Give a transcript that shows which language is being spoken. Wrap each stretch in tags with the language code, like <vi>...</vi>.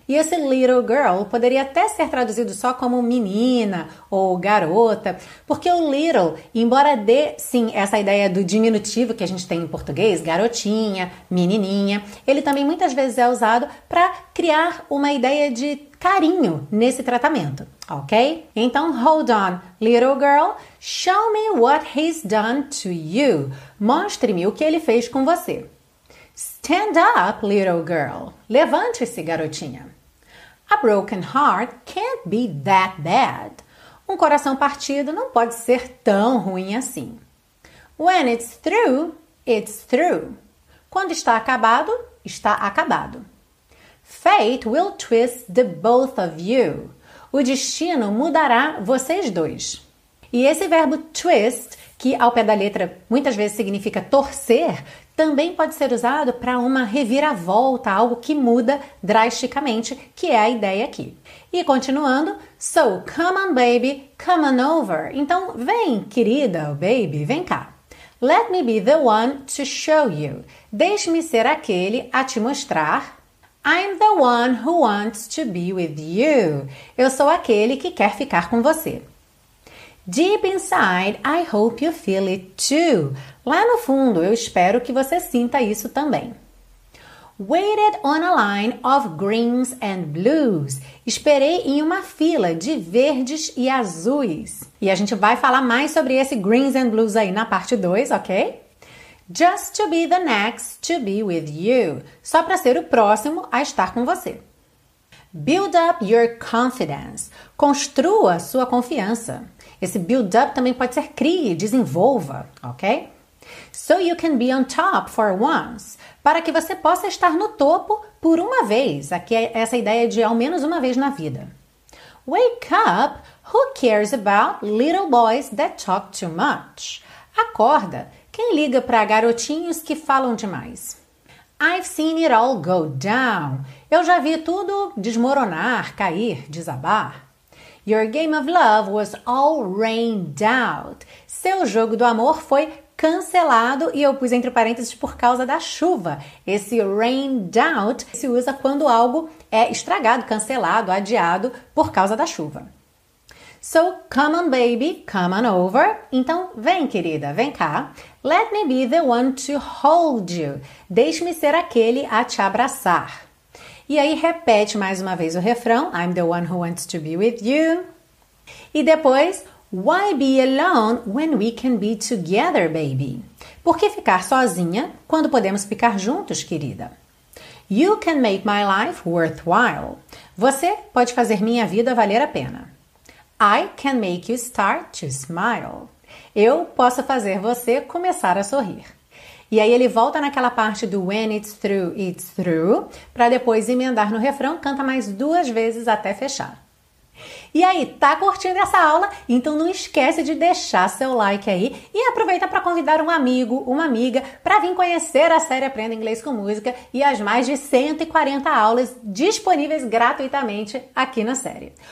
<pt>E esse little girl poderia até ser traduzido só como menina ou garota, porque o little, embora dê, sim, essa ideia do diminutivo que a gente tem em português, garotinha, menininha, ele também muitas vezes é usado para criar uma ideia de carinho nesse tratamento, ok?</pt> <en>Então, hold on, little girl, show me what he's done to you.</en> <pt>Mostre-me o que ele fez com você.</pt> <en>Stand up, little girl.</en> <pt>Levante-se, garotinha.</pt> <en>A broken heart can't be that bad.</en> <pt>Um coração partido não pode ser tão ruim assim.</pt> <en>When it's through, it's through.</en> <pt>Quando está acabado, está acabado.</pt> <en>Fate will twist the both of you.</en> <pt>O destino mudará vocês dois. E esse verbo twist, que ao pé da letra muitas vezes significa torcer, também pode ser usado para uma reviravolta, algo que muda drasticamente, que é a ideia aqui. E continuando,</pt> <en>so come on baby, come on over.</en> <pt>Então vem, querida, baby, vem cá.</pt> <en>Let me be the one to show you.</en> <pt>Deixe-me ser aquele a te mostrar.</pt> <en>I'm the one who wants to be with you.</en> <pt>Eu sou aquele que quer ficar com você.</pt> <en>Deep inside, I hope you feel it too.</en> <pt>Lá no fundo, eu espero que você sinta isso também.</pt> <en>Waited on a line of greens and blues.</en> <pt>Esperei em uma fila de verdes e azuis. E a gente vai falar mais sobre esse</pt> <en>greens and blues</en> <pt>aí na parte 2, ok?</pt> <en>Just to be the next to be with you.</en> <pt>Só para ser o próximo a estar com você.</pt> <en>Build up your confidence.</en> <pt>Construa sua confiança. Esse build up também pode ser crie, desenvolva, ok?</pt> <en>So you can be on top for once.</en> <pt>Para que você possa estar no topo por uma vez. Aqui é essa ideia de ao menos uma vez na vida.</pt> <en>Wake up, who cares about little boys that talk too much?</en> <pt>Acorda, quem liga para garotinhos que falam demais?</pt> <en>I've seen it all go down.</en> <pt>Eu já vi tudo desmoronar, cair, desabar.</pt> <en>Your game of love was all rained out.</en> <pt>Seu jogo do amor foi cancelado e eu pus entre parênteses por causa da chuva. Esse rained out se usa quando algo é estragado, cancelado, adiado por causa da chuva.</pt> <en>So, come on, baby, come on over.</en> <pt>Então, vem, querida, vem cá.</pt> <en>Let me be the one to hold you.</en> <pt>Deixe-me ser aquele a te abraçar. E aí, repete mais uma vez o refrão.</pt> <en>I'm the one who wants to be with you.</en> <pt>E depois,</pt> <en>why be alone when we can be together, baby?</en> <pt>Por que ficar sozinha quando podemos ficar juntos, querida?</pt> <en>You can make my life worthwhile.</en> <pt>Você pode fazer minha vida valer a pena.</pt> <en>I can make you start to smile.</en> <pt>Eu posso fazer você começar a sorrir. E aí ele volta naquela parte do</pt> <en>when it's through,</en> <pt>para depois emendar no refrão, canta mais duas vezes até fechar. E aí, tá curtindo essa aula? Então não esquece de deixar seu like aí e aproveita para convidar um amigo, uma amiga, para vir conhecer a série Aprenda Inglês com Música e as mais de 140 aulas disponíveis gratuitamente aqui na série.</pt>